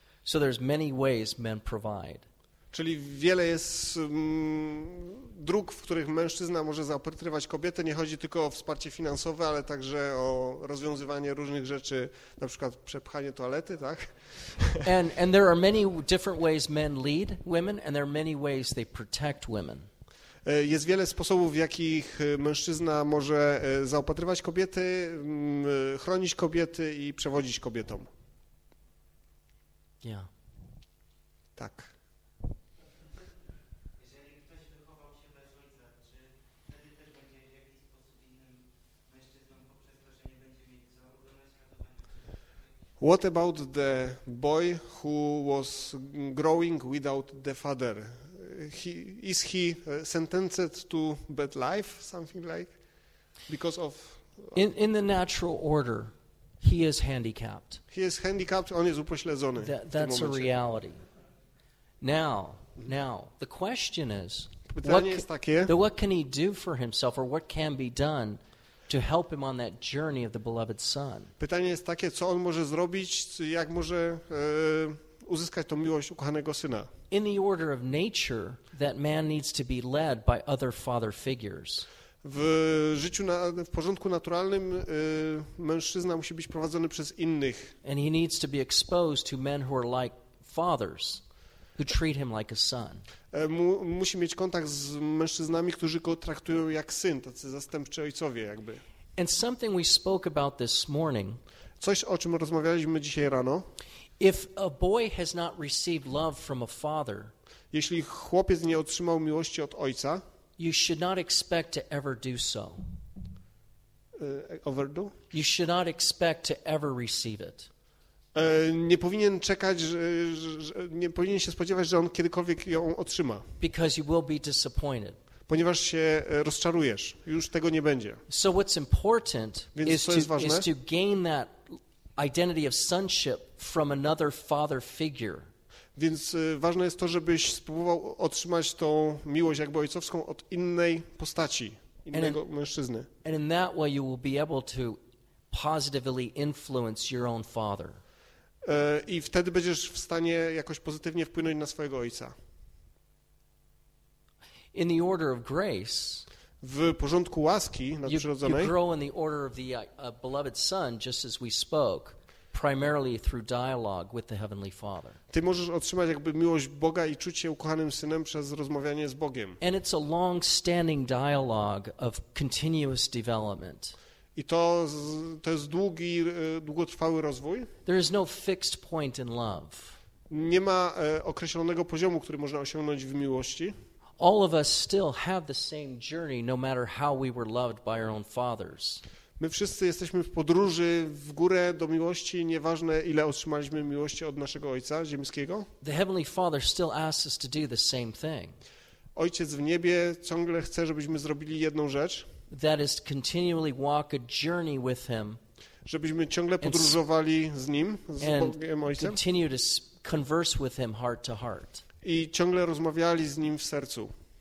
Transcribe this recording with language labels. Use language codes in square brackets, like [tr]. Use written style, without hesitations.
[en] So there's many ways men provide. [pl] Czyli wiele jest dróg, w których mężczyzna może zaopatrywać kobietę. Nie chodzi tylko o wsparcie finansowe, ale także o rozwiązywanie różnych rzeczy, na przykład przepchanie toalety, tak? [en] And there are many different ways men lead women, and there are many ways they protect women. [pl] Jest wiele sposobów, w jakich mężczyzna może zaopatrywać kobiety, chronić kobiety i przewodzić kobietom. [en] Yeah. [pl] Tak. Jeżeli ktoś wychował się bez ojca, czy wtedy też będzie w jakiś sposób innym [en] What about the boy who was growing without the father? Is he sentenced to bad life, something like, because of... In the natural order, he is handicapped. He is handicapped, [pl] on jest upośledzony. [en] That's a reality. Now, the question is, what can he do for himself, or what can be done to help him on that journey of the beloved son? [pl] Pytanie jest takie, co on może zrobić, jak może uzyskać tą miłość ukochanego syna? [en] In the order of nature, that man needs to be led by other father figures. [pl] W życiu, w porządku naturalnym, mężczyzna musi być prowadzony przez innych. [en] And he needs to be exposed to men who are like fathers, who treat him like a son. [pl] Musi mieć kontakt z mężczyznami, którzy go traktują jak syn, tacy zastępczy ojcowie jakby. [en] And something we spoke about this morning. [pl] Coś, o czym rozmawialiśmy dzisiaj rano. [en] If a boy has not received love from a father, [pl] jeśli chłopiec nie otrzymał miłości od ojca, [en] you should not expect to ever do so. Overdo? You should not expect to ever receive it. [pl] Nie powinien czekać, nie powinien się spodziewać, że on kiedykolwiek ją otrzyma. [en] Because you will be disappointed. [pl] Ponieważ się rozczarujesz, już tego nie będzie. [en] So what's important is to gain that identity of sonship from another father figure. [pl] Więc ważne jest to, żebyś spróbował otrzymać tą miłość jakby ojcowską od innej postaci, innego mężczyzny. [en] And in that way you will be able to positively influence your own father. [pl] I wtedy będziesz w stanie jakoś pozytywnie wpłynąć na swojego ojca. [en] In the order of grace, [pl] w porządku łaski nadprzyrodzonej, [en] you grow in the order of the beloved son, just as we spoke, primarily through dialogue with the heavenly father. [pl] Ty możesz otrzymać jakby miłość Boga i czuć się ukochanym synem przez rozmawianie z Bogiem. [en] And it's a long-standing dialogue of continuous development. [pl] I to jest długotrwały rozwój. [en] There is no fixed point in love. [pl] Nie ma określonego poziomu, który można osiągnąć w miłości. [en] All of us still have the same journey, no matter how we were loved by our own fathers. [pl] My wszyscy jesteśmy w podróży w górę do miłości, nieważne ile otrzymaliśmy miłości od naszego Ojca ziemskiego. [en] The Heavenly Father still asks us to do the same thing. [pl] Ojciec w niebie ciągle chce, żebyśmy zrobili jedną rzecz. [en] That is continually walk a journey with him. [pl] Żebyśmy ciągle podróżowali z Nim, z Bogiem Ojcem. [en] And continue to converse with him heart to heart. [pl] I ciągle rozmawiali z Nim w sercu.